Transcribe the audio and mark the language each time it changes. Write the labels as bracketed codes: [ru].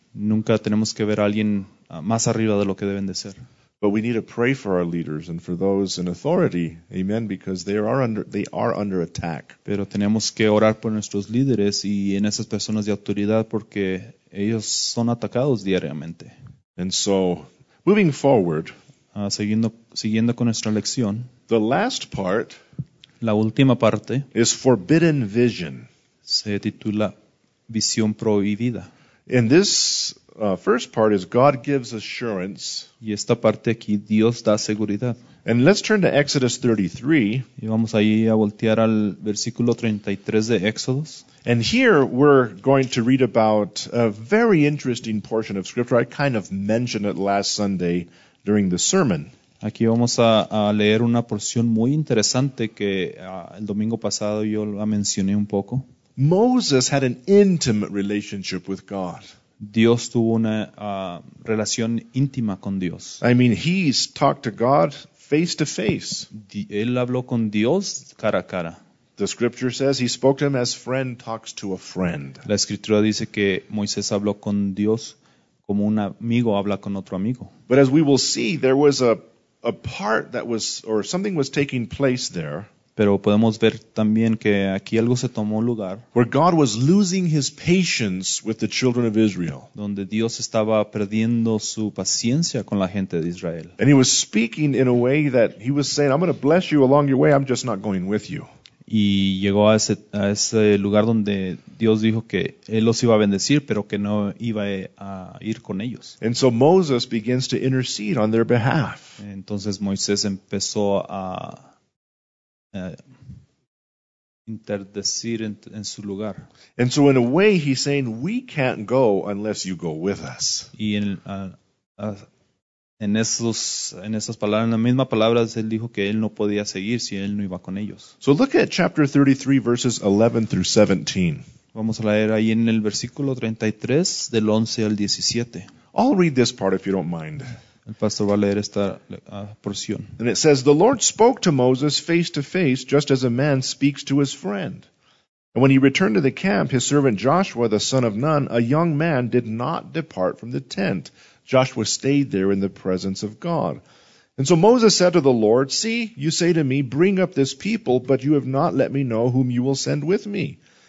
[es] Nunca tenemos que ver a alguien más arriba de lo que deben de ser. [en] But we need to pray for our leaders and for those in authority, amen, because they are under attack. [es] Pero tenemos que orar por nuestros líderes y en esas personas de autoridad porque ellos son atacados diariamente. [en] And so, moving forward, [es] siguiendo con nuestra lección, [en] the last part. [es] La última parte [en] is forbidden vision. [es] Se titula visión prohibida. [en] And this first part is God gives assurance. [es] Y esta parte aquí, Dios da seguridad. [en] And let's turn to Exodus 33. [es] Y vamos ahí a voltear al versículo 33 de Éxodos. [en] And here we're going to read about a very interesting portion of Scripture. I kind of mentioned it last Sunday during the sermon. [es] Aquí vamos a leer una porción muy interesante que el domingo pasado yo la mencioné un poco. [en] Moses had an intimate relationship with God. [es] Dios tuvo una relación íntima con Dios. [en] I mean, he talked to God face to face. [es] Él habló con Dios cara a cara. [en] The scripture says he spoke to him as friend talks to a friend. [es] La escritura dice que Moisés habló con Dios como un amigo habla con otro amigo. [en] But as we will see, there was a part that was, or something was taking place there. [es] Pero podemos ver también que aquí algo se tomó lugar. [en] Where God was losing his patience with the children of Israel. [es] Donde Dios estaba perdiendo su paciencia con la gente de Israel. [en] And he was speaking in a way that he was saying, I'm going to bless you along your way, I'm just not going with you. [es] Y llegó a ese lugar donde Dios dijo que él los iba a bendecir, pero que no iba a ir con ellos. [en] And so Moses begins to intercede on their behalf. [es] Entonces Moisés empezó a interceder en su lugar. [en] And so in a way he's saying, we can't go unless you go with us. [es] Y en esas palabras, en las mismas palabras, él dijo que él no podía seguir si él no iba con ellos. [en] So look at chapter 33, verses 11 through 17. [es] Vamos a leer ahí en el versículo 33, del 11 al 17. [en] I'll read this part if you don't mind. [es] El pastor va a leer esta porción. [en] And it says, the Lord spoke to Moses face to face, just as a man speaks to his friend. And when he returned to the camp, his servant Joshua, the son of Nun, a young man, did not depart from the tent. Joshua stayed there in the presence of God. And so Moses said to the Lord, see, you say to me, bring up this people, but you have not let me know whom you will send with me.